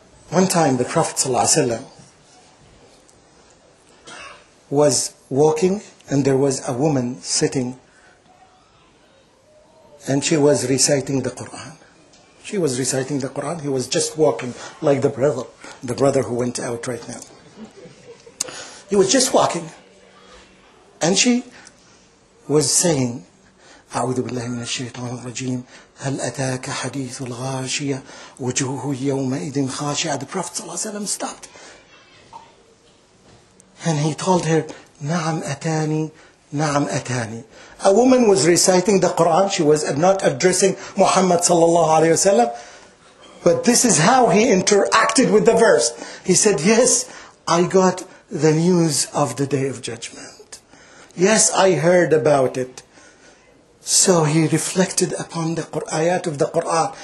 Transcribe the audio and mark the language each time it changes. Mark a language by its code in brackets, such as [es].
[en] One time the Prophet ﷺ was walking and there was a woman sitting and she was reciting the Quran. She was reciting the Quran. He was just walking like the brother who went out right now. He was just walking and she was saying, [ar] أعوذ بالله من الشيطان الرجيم هل أتاك حديث الغاشية وجهه يومئذ خاشعة. The Prophet صلى الله عليه وسلم [en] stopped and he told her, [ar] نعم أتاني نعم أتاني. [en] A woman was reciting the Quran. She was not addressing Muhammad [ar] صلى الله عليه وسلم, [en] but this is how he interacted with the verse. He said, yes, I got the news of the Day of Judgment. Yes, I heard about it. So he reflected upon the ayat of the Qur'an.